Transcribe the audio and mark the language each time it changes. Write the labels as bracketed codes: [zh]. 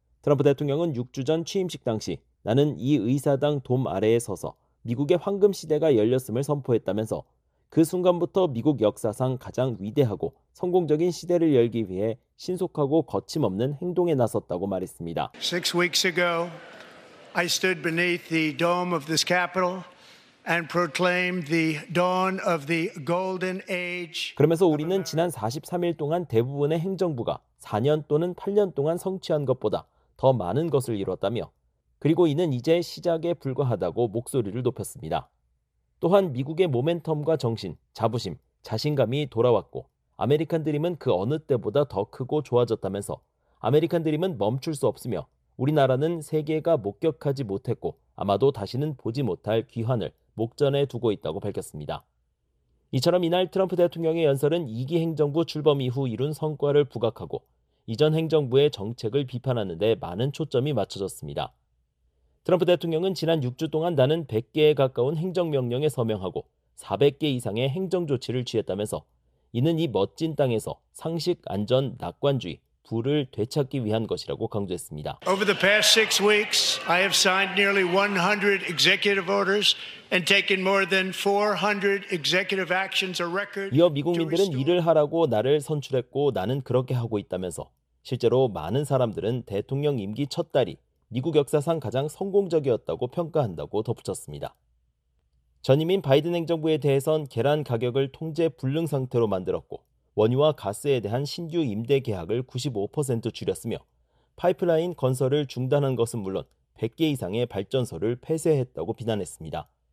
[ko] 트럼프 대통령은 6주 전 취임식 당시 나는 이 의사당 돔 아래에 서서 미국의 황금 시대가 열렸음을 선포했다면서 그 순간부터 미국 역사상 가장 위대하고 성공적인 시대를 열기 위해 신속하고 거침없는 행동에 나섰다고 말했습니다. [en] 6 weeks ago I stood beneath the dome of this capital and proclaimed the dawn of the golden age. [ko] 그러면서 우리는 지난 43일 동안 대부분의 행정부가 4년 또는 8년 동안 성취한 것보다 더 많은 것을 이뤘다며 그리고 이는 이제 시작에 불과하다고 목소리를 높였습니다. 또한 미국의 모멘텀과 정신, 자부심, 자신감이 돌아왔고 아메리칸 드림은 그 어느 때보다 더 크고 좋아졌다면서 아메리칸 드림은 멈출 수 없으며 우리나라는 세계가 목격하지 못했고 아마도 다시는 보지 못할 귀환을 목전에 두고 있다고 밝혔습니다. 이처럼 이날 트럼프 대통령의 연설은 2기 행정부 출범 이후 이룬 성과를 부각하고 이전 행정부의 정책을 비판하는 데 많은 초점이 맞춰졌습니다. 트럼프 대통령은 지난 6주 동안 나는 100개에 가까운 행정명령에 서명하고 400개 이상의 행정조치를 취했다면서 이는 이 멋진 땅에서 상식, 안전, 낙관주의, 부를 되찾기 위한 것이라고 강조했습니다. [en] Over the past six weeks, I have signed nearly 100 executive orders and taken more than 400 executive actions, a record. [ko] 이어 미국민들은 일을 하라고 나를 선출했고 나는 그렇게 하고 있다면서 실제로 많은 사람들은 대통령 임기 첫 달이 미국 역사상 가장 성공적이었다고 평가한다고 덧붙였습니다. 전임인 바이든 행정부에 대해선 계란 가격을 통제 불능 상태로 만들었고 원유와 가스에 대한 신규 임대 계약을 95% 줄였으며 파이프라인 건설을 중단한 것은 물론 100개 이상의 발전소를 폐쇄했다고 비난했습니다.